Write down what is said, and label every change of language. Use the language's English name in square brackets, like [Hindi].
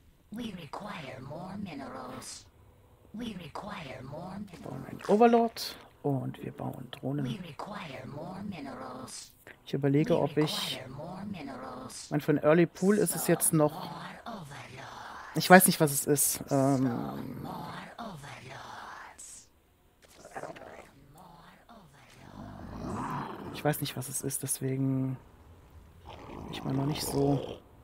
[English] We require more minerals. We require more minerals. [German] Wir bauen einen Overlord und wir bauen Drohnen. [English] We require more minerals. [German] Ich überlege, ob ich. Ich meine, für einen Early Pool ist es jetzt noch. Ich weiß nicht, was es ist. Ich weiß nicht, was es ist, deswegen. Ich meine, noch nicht so.